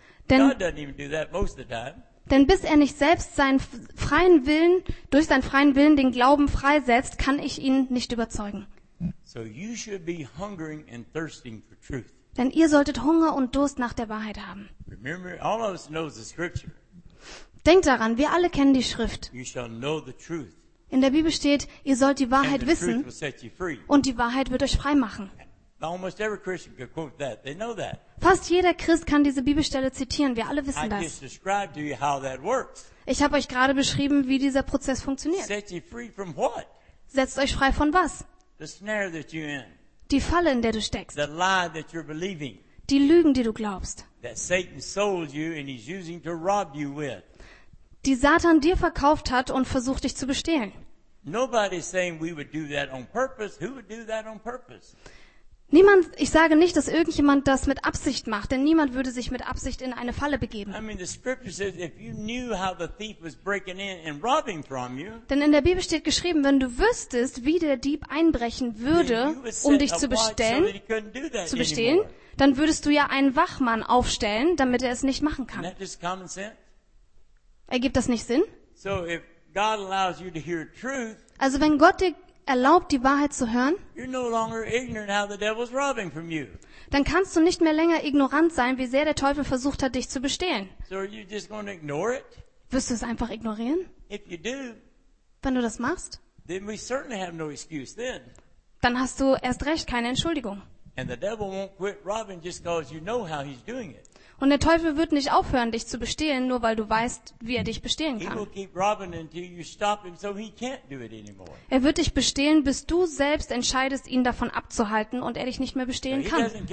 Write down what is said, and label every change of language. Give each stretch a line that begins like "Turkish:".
German: Denn bis er nicht selbst seinen freien Willen, durch seinen freien Willen den Glauben freisetzt, kann ich ihn nicht überzeugen.
English: So you should be hungering and thirsting for truth.
German: Denn ihr solltet Hunger und Durst nach der Wahrheit haben.
English: Remember, all of us knows the scripture.
German: Denkt daran, wir alle kennen die Schrift.
English: You shall know the truth.
German: In der Bibel steht, ihr sollt die Wahrheit
English: and the
German: wissen
English: truth will set you free.
German: Und die Wahrheit wird euch frei machen.
English: Almost every Christian can quote that. They know that.
German: Fast jeder Christ kann diese Bibelstelle zitieren. Wir alle wissen das.
English: I just described to you how that works.
German: Ich habe euch gerade beschrieben, wie dieser Prozess funktioniert.
English: Set you free from what?
German: Setzt euch frei von was?
English: The snare that you're in.
German: Die Falle, in der du steckst.
English: The lie that you're believing.
German: Die Lügen, die du glaubst.
English: That Satan sold you and he's using to rob you with.
German: Die Satan dir verkauft hat und versucht, dich zu bestehlen.
English: Nobody's saying we would do that on purpose. Who would do that on purpose?
German: Niemand, ich sage nicht, dass irgendjemand das mit Absicht macht, denn niemand würde sich mit Absicht in eine Falle begeben.
English: I mean, the scripture says if you knew how the thief was breaking in and robbing from you.
German: Denn in der Bibel steht geschrieben, wenn du wüsstest, wie der Dieb einbrechen würde, um dich zu bestehlen, dann würdest du ja einen Wachmann aufstellen, damit er es nicht machen kann.
English: Isn't that just common sense?
German: Ergibt das nicht Sinn?
English: So if God allows you to hear truth,
German: also wenn Gott dir erlaubt, die Wahrheit zu hören,
English: you're no longer ignorant how the devil's robbing from you.
German: Dann kannst du nicht mehr länger ignorant sein, wie sehr der Teufel versucht hat, dich zu bestehlen.
English: So are you just going to ignore it?
German: Wirst du es einfach ignorieren?
English: If you do,
German: wenn du das machst,
English: then we certainly have no excuse then.
German: Dann hast du erst recht keine Entschuldigung.
English: And the devil won't quit robbing just because you know how he's doing it.
German: Und der Teufel wird nicht aufhören, dich zu bestehlen, nur weil du weißt, wie er dich bestehlen kann. Er wird dich bestehlen, bis du selbst entscheidest, ihn davon abzuhalten und er dich nicht mehr bestehlen kann.